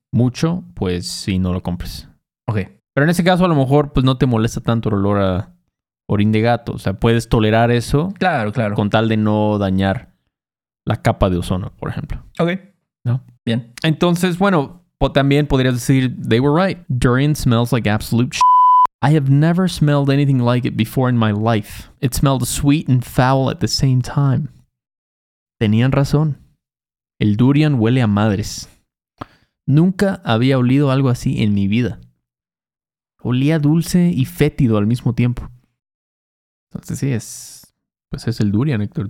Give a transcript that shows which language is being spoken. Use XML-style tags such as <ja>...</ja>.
<es>mucho, pues sí, no lo compres. Ok. Pero en ese caso, a lo mejor, pues no te molesta tanto el olor a orín de gato. O sea, puedes tolerar eso. Claro, claro. Con tal de no dañar la capa de ozono, por ejemplo. Ok. ¿No? Bien. Entonces, bueno, también podrías decir,</es> <en>they were right. Durian smells like absolute shit. I have never smelled anything like it before in my life. It smelled sweet and foul at the same time.</en> <es>Tenían razón. El durian huele a madres. Nunca había olido algo así en mi vida. Olía dulce y fétido al mismo tiempo. Entonces sí, pues es el durian, Héctor.</es>